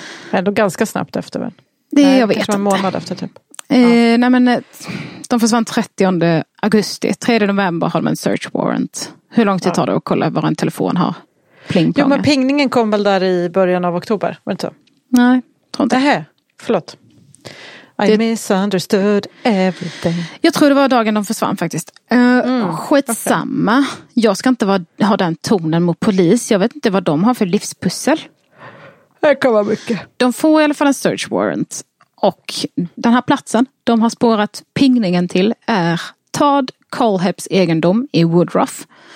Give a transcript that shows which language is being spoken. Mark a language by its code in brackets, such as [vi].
[sv] Men ändå ganska snabbt efter, väl? Det jag vet inte. En månad efter, typ. Ja. Nej, men de försvann 30 augusti. 3 november har de en search warrant. Hur lång tid tar det att kolla vad en telefon har? Jo, men pingningen kom väl där i början av oktober, var det inte? Nej, tror inte. Nähä, förlåt. [en] I misunderstood everything. [sv] Jag tror det var dagen de försvann faktiskt. Skitsamma. Okay. Jag ska inte ha den tonen mot polis. Jag vet inte vad de har för livspussel. Det kan vara mycket. De får i alla fall en search warrant. Och den här platsen de har spårat pingningen till är Todd Colheps egendom i Woodruff.